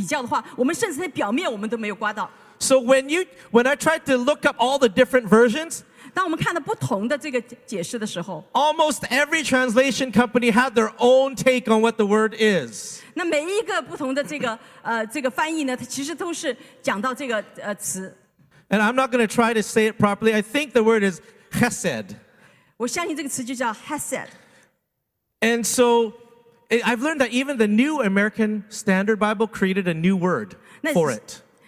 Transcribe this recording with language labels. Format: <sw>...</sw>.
<zh>但我们所认为的那个词其实根本就没有和这个希伯来原文的意思来比较的话，我们甚至连表面我们都没有刮到。So</zh> <en>when I tried to look up all the different versions,</en> <zh>当我们看到不同的这个解释的时候,</zh> <en>almost every translation company had their own take on what the word is.</en> <zh>那每一个不同的这个翻译呢，它其实都是讲到这个词。</zh> <en>And I'm not going to try to say it properly. I think the word is chesed.</en> <zh>我相信这个词就叫 chesed.</zh> <en>And so I've learned that even the New American Standard Bible created a new word for it.</en>